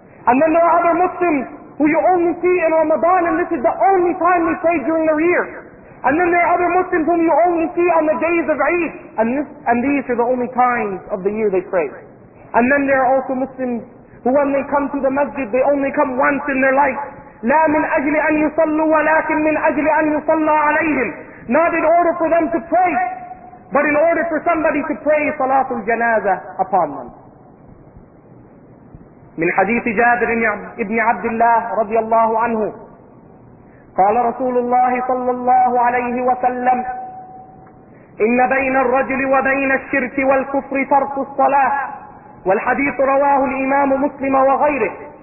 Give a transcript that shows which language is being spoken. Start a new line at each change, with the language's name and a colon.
English: And then there are other Muslims who you only see in Ramadan, and this is the only time they pray during their year. And then there are other Muslims whom you only see on the days of Eid, and these are the only times of the year they pray. And then there are also Muslims who when they come to the masjid, they only come once in their life.
Arabic: لا من أجل أن يصلوا ولكن من أجل أن يصلى عليهم.
English: Not in order for them to pray, but in order for somebody to pray
Arabic: صلاه الجنازة
English: upon them.
Arabic: من حديث جابر بن عبد الله رضي الله عنه قال رسول الله صلى الله عليه وسلم إن بين الرجل وبين الشرك والكفر ترك الصلاة. والحديث رواه الإمام مسلم وغيره.